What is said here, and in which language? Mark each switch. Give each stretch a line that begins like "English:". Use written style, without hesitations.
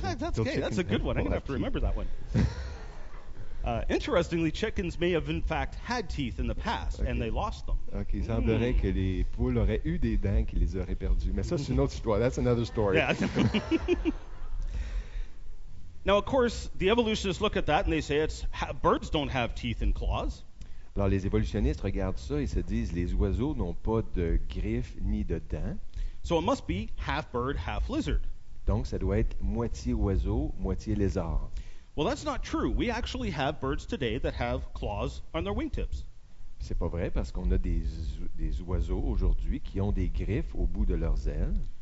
English: that's okay, that's a good one. I'm going to have to remember that one. Interestingly, chickens may have in fact had teeth in the past, okay. and they lost them.
French: Okay, il semblerait que les poules auraient eu des dents qui les auraient perdues. Mais ça, c'est une autre histoire.
English: That's another story. Yeah. Now, of course, the evolutionists look at that and they say it's birds don't have teeth and claws.
French: Alors, les évolutionnistes regardent ça et se disent les oiseaux n'ont pas de griffes ni de dents.
English: So it must be half bird, half lizard.
French: Donc, ça doit être moitié oiseau, moitié lézard.
English: Well, that's not true. We actually have birds today that have claws on their wingtips.
French: C'est pas vrai parce qu'on a des oiseaux aujourd'hui qui ont des griffes au bout de leurs ailes.